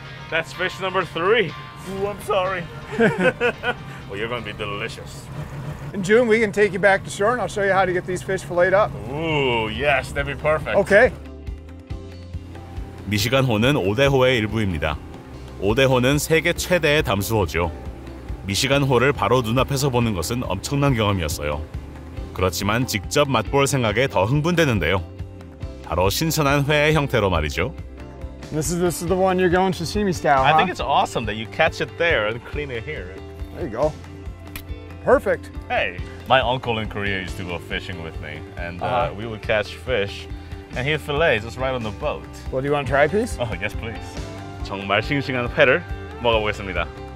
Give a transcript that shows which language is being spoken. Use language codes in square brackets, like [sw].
[en] That's fish number three. Ooh, I'm sorry. Well, you're going to be delicious. In June, we can take you back to shore and I'll show you how to get these fish filleted up. Ooh, yes, that'd be perfect. Okay. [ko] 미시간호는 오대호의 일부입니다. 오대호는 세계 최대의 담수호죠. 미시간호를 바로 눈앞에서 보는 것은 엄청난 경험이었어요. 그렇지만 직접 맛볼 생각에 더 흥분되는데요. 바로 신선한 회의 형태로 말이죠. [en] This is the one you're going to see me style, huh? I think it's awesome that you catch it there and clean it here. There you go. Perfect. Hey, my uncle in Korea used to go fishing with me, and we would catch fish. And here fillets, it's right on the boat. Well, do you want to try a piece? Oh, yes, please. [ko] 정말 싱싱한 회를 먹어보겠습니다.